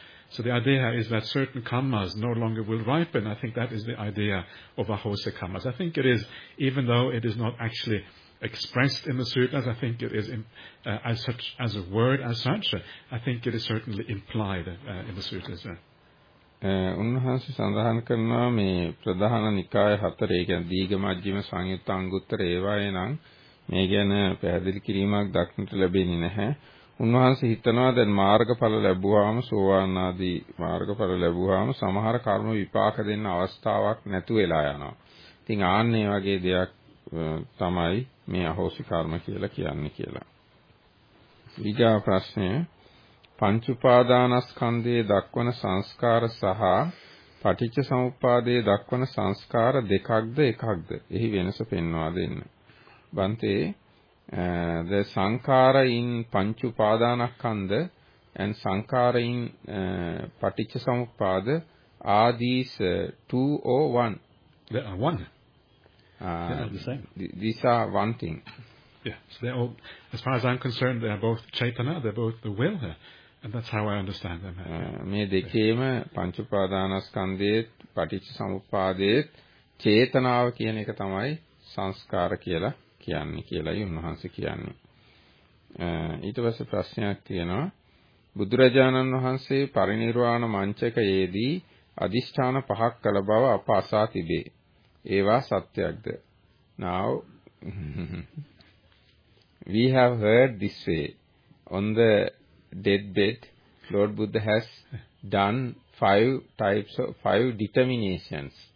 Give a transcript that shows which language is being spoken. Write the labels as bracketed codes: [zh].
[en] So the idea is that certain kammas no longer will ripen. I think that is the idea of ahosa kammas. I think it is, even though it is not actually expressed in the suttas. I think it is as a word as such. I think it is certainly implied in the suttas. [si] උන්වහන්සේ සඳහන් කරනවා මේ ප්‍රධාන නිකාය හතරේ කියන්නේ දීඝ මජ්ක්‍ධිම සංයුත්ත අංගුත්තර ඒවායේ නම් මේ ගැන පැහැදිලි කිරීමක් දක්නට ලැබෙන්නේ නැහැ. උන්වහන්සේ හිතනවා දැන් මාර්ගඵල ලැබුවාම සෝවාන් ආදී මාර්ගඵල ලැබුවාම සමහර කර්ම විපාක දෙන්න අවස්ථාවක් නැතු වෙලා යනවා. ඉතින් ආන්නේ වගේ දෙයක් තමයි මේ අහෝසි කර්ම කියලා කියන්නේ කියලා. ඊගා ප්‍රශ්නය පංචඋපාදානස්කන්ධයේ දක්වන සංස්කාර සහ පටිච්චසමුප්පාදයේ දක්වන සංස්කාර දෙකක්ද එකක්ද? එහි වෙනස පෙන්වා දෙන්න. [en] බන්තේ, the sankhara in panchupadanakkhanda and sankhara in paticchasamuppada, are these two or one? They are one. They are the same. These are one thing. Yes, they all, as far as I'm concerned, they are both chaitana, they're both the will. And that's how I understand them. [si] මේ දෙකේම පංචඋපාදානස්කන්ධයේ පටිච්චසමුප්පාදයේ චේතනාව කියන එක තමයි සංස්කාර කියලා කියන්නේ කියලායි උන්වහන්සේ කියන්නේ. ඊට පස්සේ ප්‍රශ්නයක් තියෙනවා. බුදුරජාණන් වහන්සේ පරිනිර්වාණ මංචකයේදී අදිෂ්ඨාන පහක් කළ බව අප අසා තිබේ. ඒවා සත්‍යයක්ද? [en] Now we have heard this way. On the deathbed, Lord Buddha has done five determinations.